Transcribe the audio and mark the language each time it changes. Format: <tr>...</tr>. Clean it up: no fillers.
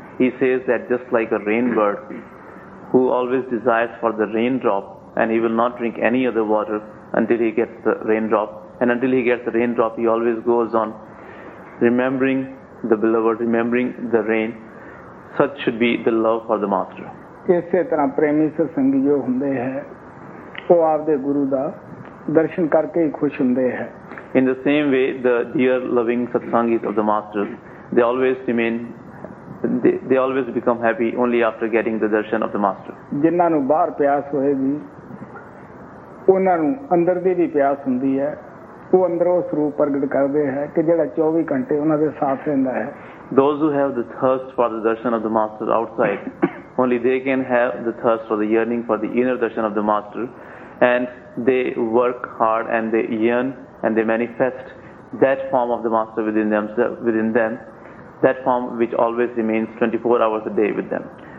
<en>He says that just like a rain bird who always desires for the raindrop, and he will not drink any other water until he gets the raindrop. And until he gets the raindrop, he always goes on remembering the beloved, remembering the rain. Such should be the love for the Master.</en> <pa>ਇਸੇ ਤਰ੍ਹਾਂ ਪ੍ਰੇਮੀ ਸਤਸੰਗ ਜੋ ਹੁੰਦੇ ਹੈ ਉਹ ਆਪਦੇ ਗੁਰੂ ਦਾ ਦਰਸ਼ਨ ਕਰਕੇ ਹੀ ਖੁਸ਼ ਹੁੰਦੇ ਹੈ.</pa> <en>In the same way, the dear loving satsangis of the Master, they always remain, they always become happy only after getting the darshan of the Master.</en> <pa>ਜਿਨ੍ਹਾਂ ਨੂੰ ਬਾਹਰ ਪਿਆਸ ਹੋਏਗੀ ਉਹਨਾਂ ਨੂੰ ਅੰਦਰ ਦੀ ਵੀ ਪਿਆਸ ਹੁੰਦੀ ਹੈ. ਉਹ ਅੰਦਰ ਉਹ ਸਰੂਪ ਪ੍ਰਗਟ ਕਰਦੇ ਹੈ ਕਿ ਜਿਹੜਾ 24 ਘੰਟੇ ਉਹਨਾਂ ਦੇ ਸਾਥ ਰਹਿੰਦਾ ਹੈ.</pa> <en>Those who have the thirst for the darshan of the Master outside, only they can have the thirst for the yearning for the inner darshan of the Master, and they work hard and they yearn and they manifest that form of the Master within them, that form which always remains 24 hours a day with them.</en>